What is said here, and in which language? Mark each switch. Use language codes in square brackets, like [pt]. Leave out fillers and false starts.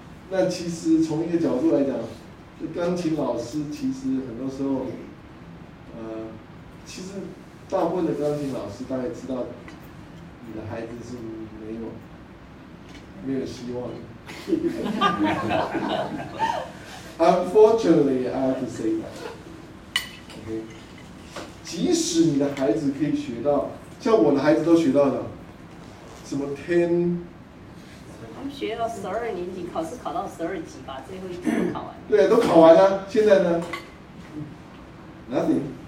[zh] 那其实从一个角度来讲，钢琴老师其实很多时候其实大部分的钢琴老师大概知道你的孩子是没有希望的。 [en] Unfortunately, I have to say that. [zh] OK， 即使你的孩子可以学到，像我的孩子都学到了什么天，学到12年级，考试考到12级吧，最后一次都考完。对，都考完了。现在呢？哪里？